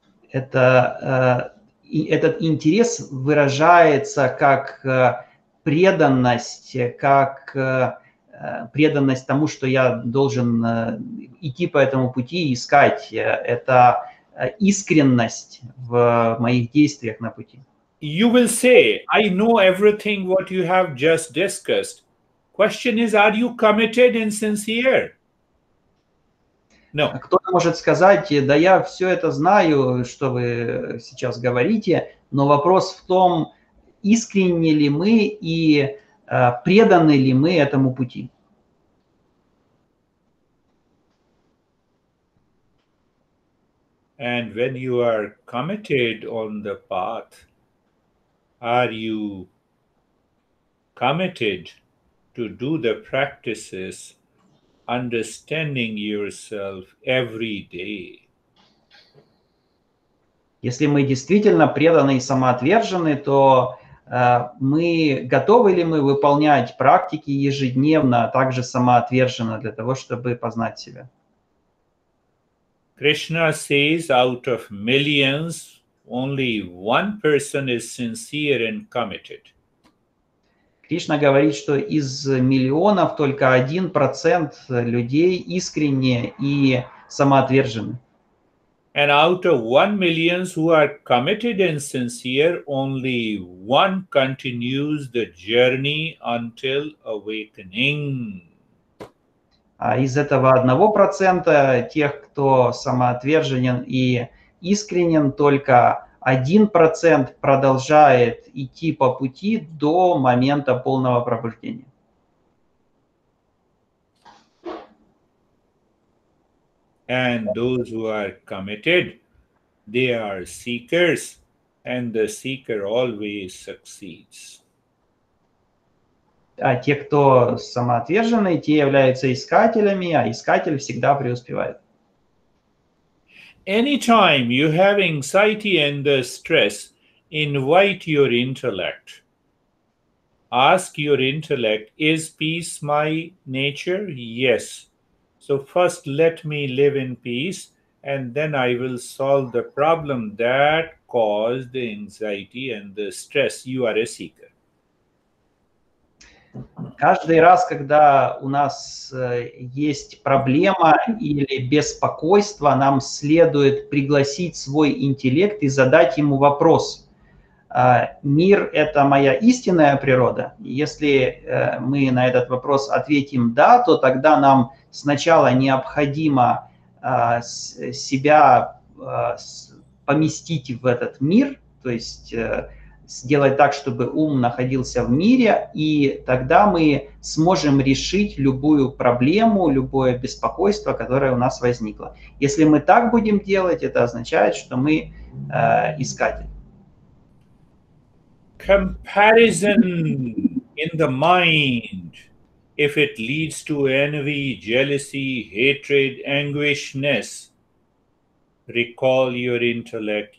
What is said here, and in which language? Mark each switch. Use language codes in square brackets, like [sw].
[ru] Этот интерес выражается как преданность, как преданность тому, что я должен идти по этому пути и искать. Это искренность в моих действиях на пути. [en] You will say, I know everything what you have just discussed. Question is, are you committed and sincere? No. [ru] Кто-то может сказать, да я все это знаю, что вы сейчас говорите, но вопрос в том, искренне ли мы и преданы ли мы этому пути. [en] And when you are committed on the path, are you committed to do the practices, understanding yourself every day? [ru] Если мы действительно преданы и самоотвержены, то мы готовы ли мы выполнять практики ежедневно, а также самоотверженно для того, чтобы познать себя? [en] Krishna says, out of millions, only one person is sincere and committed. [ru] Кришна говорит, что из миллионов только 1% людей искренне и самоотвержены. [en] And out of 1 million who are committed and sincere, only one continues the journey until awakening. [ru] А из этого 1% тех, кто самоотверженен и искренен, только 1% продолжает идти по пути до момента полного пробуждения. [en] And those who are committed, they are seekers, and the seeker always succeeds. [ru] А те, кто самоотверженные, те являются искателями, а искатель всегда преуспевает. [en] Anytime you have anxiety and the stress, invite your intellect. Ask your intellect, is peace my nature? Yes. So first let me live in peace, and then I will solve the problem that caused the anxiety and the stress. You are a seeker. [ru] Каждый раз, когда у нас есть проблема или беспокойство, нам следует пригласить свой интеллект и задать ему вопрос. Мир – это моя истинная природа? Если мы на этот вопрос ответим «да», то тогда нам сначала необходимо себя поместить в этот мир, то есть сделать так, чтобы ум находился в мире, и тогда мы сможем решить любую проблему, любое беспокойство, которое у нас возникло. Если мы так будем делать, это означает, что мы искатель. [en] Comparison in the mind, if it leads to envy, jealousy, hatred, anguishness, recall your intellect.